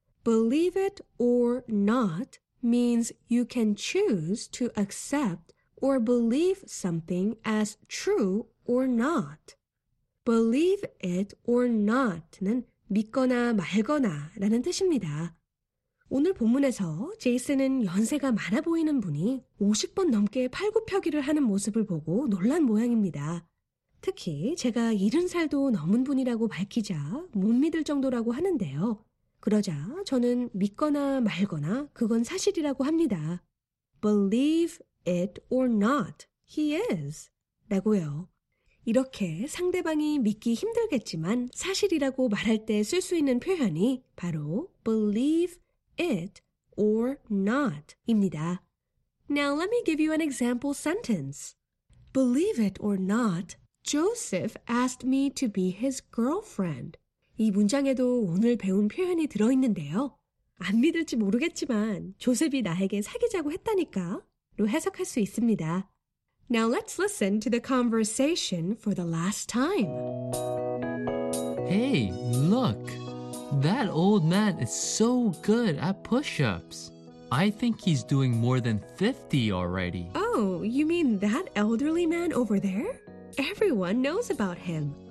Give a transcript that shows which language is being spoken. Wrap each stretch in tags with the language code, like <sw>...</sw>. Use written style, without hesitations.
<en>Believe it or not means you can choose to accept or believe something as true or not.</en> <ko>Believe it or not는 믿거나 말거나 라는 뜻입니다. 오늘 본문에서 제이슨은 연세가 많아 보이는 분이 50번 넘게 팔굽혀기를 하는 모습을 보고 놀란 모양입니다. 특히 제가 70살도 넘은 분이라고 밝히자 못 믿을 정도라고 하는데요. 그러자 저는 믿거나 말거나 그건 사실이라고 합니다.</ko> <en>Believe it or not, he is.</en> <ko>라고요. 이렇게 상대방이 믿기 힘들겠지만 사실이라고 말할 때 쓸 수 있는 표현이 바로 believe it or not 입니다.</ko> <en>Now let me give you an example sentence. Believe it or not, Joseph asked me to be his girlfriend.</en> <ko>이 문장에도 오늘 배운 표현이 들어있는데요. 안 믿을지 모르겠지만 조셉이 나에게 사귀자고 했다니까 로 해석할 수 있습니다.</ko> <en>Now let's listen to the conversation for the last time. Hey, look. That old man is so good at push-ups. I think he's doing more than 50 already. Oh, you mean that elderly man over there? Everyone knows about him.</en>